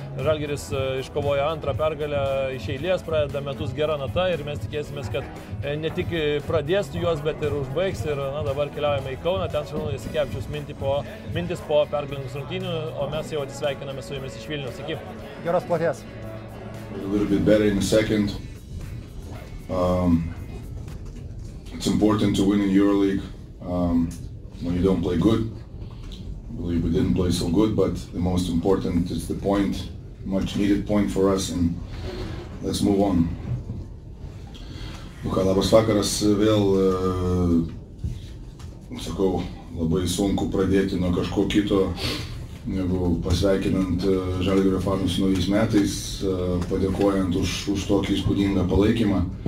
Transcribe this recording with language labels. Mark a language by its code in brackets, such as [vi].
[lt] Žalgiris iškovojo antrą pergalę iš eilės, pradeda metus gera nata ir mes tikėsimės, kad ne tik pradės juos, bet ir užbaigs ir na, dabar keliaujame į Kauną, ten Šarūnas Jasikevičius mintis po pergalingus rungtynių, o mes jau atsisveikiname su jumis iš Vilniaus. Iki. Geros platės. [en] A little bit better in the second. It's important to win in EuroLeague when you don't play good. we didn't play so good, but the most important is the point, much needed point for us, and let's move on. [lt] Labas vakaras, vėl, sakau, labai sunku pradėti nuo kažko kito, negu pasveikinant Žalgirio fanus naujais metais, padėkojant už tokį įspūdingą palaikymą.